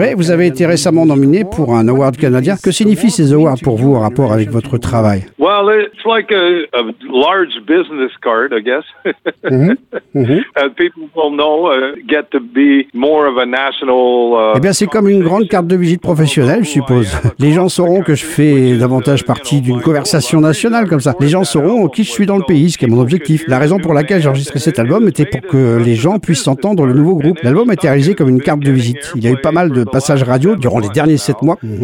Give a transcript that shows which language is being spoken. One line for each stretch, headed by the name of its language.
French: Ray, vous avez été récemment nominé pour un award canadien. Que signifient ces awards pour vous en rapport avec votre travail?
English: Well, it's like a large business card, I guess. People will know, get to be more of a national...
French: Eh bien, c'est comme une grande carte de visite professionnelle, je suppose. Les gens sauront que je fais davantage partie d'une conversation nationale comme ça. Les gens sauront qui je suis dans le pays, ce qui est mon objectif. La raison pour laquelle j'ai enregistré cet album était pour que les gens puissent entendre le nouveau groupe. L'album a été réalisé comme une carte de visite. Il y a eu pas mal de passages radio durant les derniers 7 mois.